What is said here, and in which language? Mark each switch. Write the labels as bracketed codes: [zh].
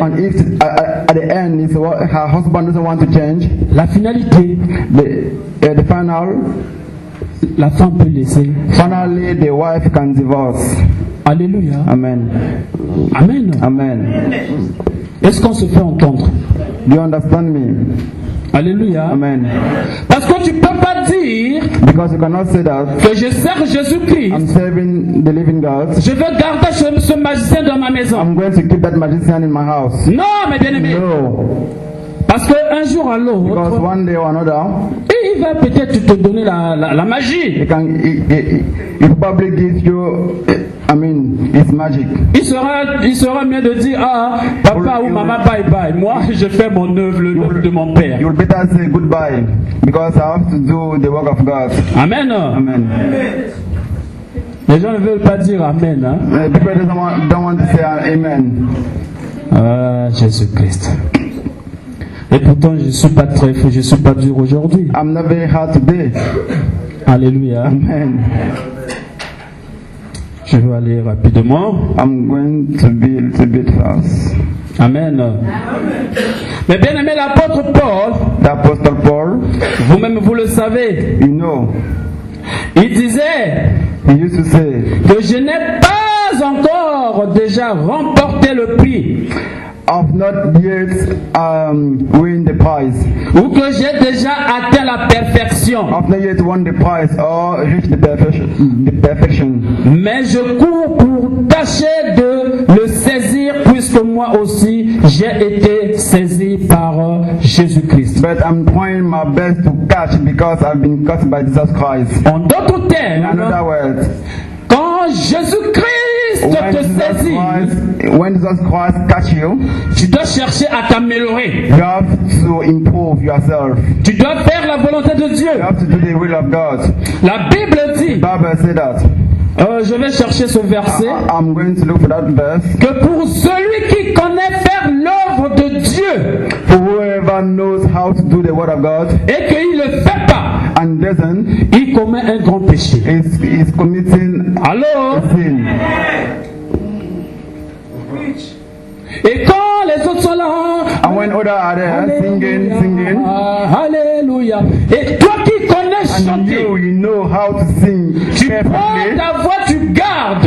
[en] and if at the end is what her husband doesn't want to change, [fr] la finalité, [en] the final, [fr] la femme peut laisser. [en] Finally, the wife can divorce. Alléluia. Amen. Amen. Amen. [fr] Est-ce qu'on se fait entendre? [en] Do you understand me? Alléluia. Amen. [fr] Parce que tu peux pas dire, [en] because you cannot say that, [fr] que je sers Jésus-Christ, [en] I'm serving the living God, [fr] je veux garder ce magicien dans ma maison. [en] I'm going to keep that magician in my house. [fr] Non, mes bien-aimés. [en] No. [fr] Parce que un jour à l'autre, [en] because one day or another, [fr] et il va peut-être te donner la magie. [en] He can, he probably gives you, I mean, it's magic. [fr] Il sera mieux de dire, ah, papa ou maman, bye bye. Moi, je fais mon œuvre, l'œuvre de mon père. [en] You'll better say goodbye, because I have to do the work of God. Amen. Amen. [fr] Les gens ne veulent pas dire amen. Hein? [en] People don't want to say amen. [fr] Ah, Jésus Christ. Et pourtant, je ne suis pas très fou, je ne suis pas dur aujourd'hui. [en] I'm not very hard today. Alléluia. Amen. [fr] Je vais aller rapidement. [en] I'm going to be a little bit fast. Amen. [fr] Mais bien aimé, l'apôtre Paul, [en] the Apostle Paul, [fr] vous-même vous le savez, [en] you know, [fr] il disait, [en] he used to say, [fr] que je n'ai pas encore déjà remporté le prix. [en] have not yet win the prize. [fr] Ou que j'ai déjà atteint la perfection. [en] I have not yet won the prize or reached the perfection. [fr] Mais je cours pour tâcher de le saisir, puisque moi aussi j'ai été saisi par Jésus Christ. [en] But I'm trying my best to catch because I've been caught by Jesus Christ. [fr] En d'autres termes, [en] in another word, [fr] quand Jésus Christ te saisit, [en] when Jesus Christ catch you, [fr] tu dois chercher à t'améliorer. [en] You have to improve yourself. [fr] Tu dois faire la volonté de Dieu. [en] You have to do the will of God. [fr] La Bible dit. [en] The Bible says that. [fr] Je vais chercher ce verset. [en] I'm going to look for that verse. [fr] Que pour celui qui connaît faire l'œuvre de Dieu, [en] for whoever knows how to do the word of God, [fr] et qu'il le fait pas, [en] and doesn't, [fr] il commet un grand péché. [en] Is committing [fr] allô? [en] A sin. [fr] Et quand les autres sont là, [en] and when others are there, alléluia, singing, [fr] alléluia. Et toi qui connais chanter, [en] and you know how to sing, [fr] tu prends ta voix, tu gardes.